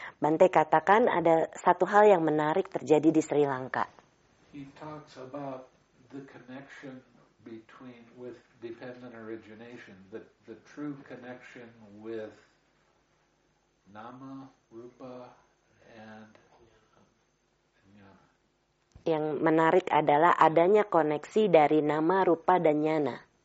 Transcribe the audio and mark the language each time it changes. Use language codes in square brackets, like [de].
[id] Bante katakan ada satu hal yang menarik terjadi di Sri Lanka. [en] He talks about the connection between with dependent origination, the true connection with nama, rupa, and jnana. [id] Yang menarik adalah adanya koneksi dari nama, rupa, dan jnana.